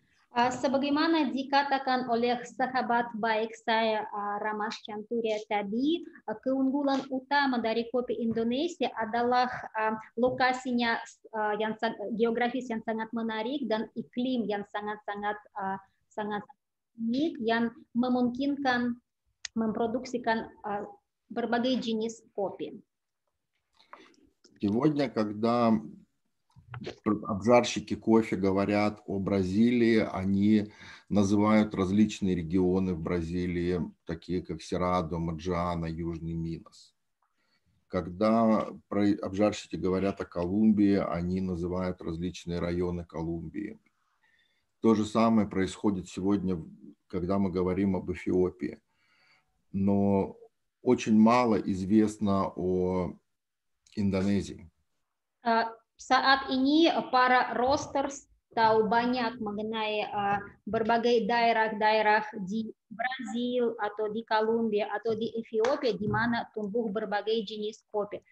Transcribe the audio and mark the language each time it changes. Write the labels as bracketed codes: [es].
[id] Sebagaimana dikatakan oleh sahabat baik saya Ramas Chanturia tadi, keunggulan utama dari kopi Indonesia adalah lokasinya yang geografis yang sangat menarik dan iklim yang sangat-sangat sangat unik yang memungkinkan memproduksikan berbagai jenis kopi. [ru] Сегодня, когда обжарщики кофе говорят о Бразилии, они называют различные регионы в Бразилии, такие как Серадо, Маджиана, Южный Минас. Когда обжарщики говорят о Колумбии, они называют различные районы Колумбии. То же самое происходит сегодня, когда мы говорим об Эфиопии. Но очень мало известно о Индонезии. [id] Saat ini para roasters tahu banyak mengenai berbagai daerah-daerah di Brazil atau di Kolombia atau di Ethiopia di mana tumbuh berbagai jenis kopi.